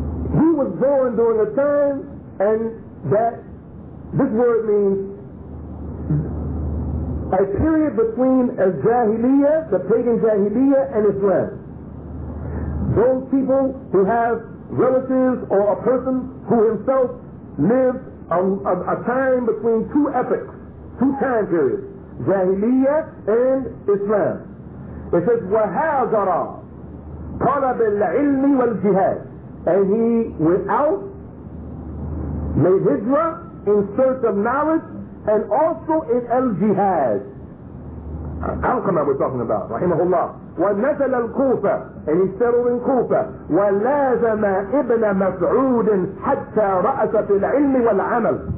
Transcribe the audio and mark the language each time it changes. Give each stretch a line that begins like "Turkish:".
English: He was born during a time, and that, this word means a period between al-Jahiliyyah, the pagan Jahiliyyah, and Islam. Those people who have relatives or a person who himself lived a time between two epochs, two time periods, Jahiliyyah and Islam. It says,
Arabic: وَهَاجَرَ طَلَبَ الْعِلْمِ وَالْجِهَادِ.
English: And he went out, made hijrah in search of knowledge, and also in al-jihad. Alqama we're talking about, rahimahullah.
Arabic: وَنَزَلَ الْكُوفَ.
English: And he settled in Kufa.
Arabic: وَلَازَمَ ابْنَ مَسْعُودٍ حَتَّى رَأَسَ فِي الْعِلْمِ وَالْعَمَلِ.